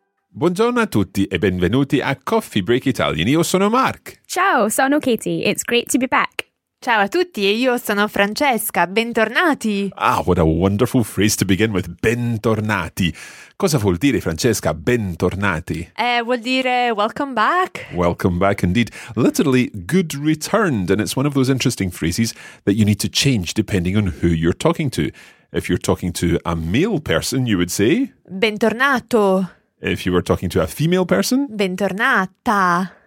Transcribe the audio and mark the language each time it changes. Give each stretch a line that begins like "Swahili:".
Italian: Buongiorno a tutti e benvenuti a Coffee Break Italian. Io sono Mark. Ciao, sono Katie.
English: It's great to be back.
Italian: Ciao a tutti e io sono Francesca. Bentornati.
English: Ah, what a wonderful phrase to begin with.
Italian: Bentornati. Cosa vuol dire, Francesca, bentornati? Vuol dire
English: welcome back. Welcome back, indeed. Literally, good returned. And it's one of those interesting phrases that you need to change depending on who you're talking to. If you're talking to a male person, you would say...
Italian: Bentornato.
English: If you were talking to a female person...
Italian: Bentornata.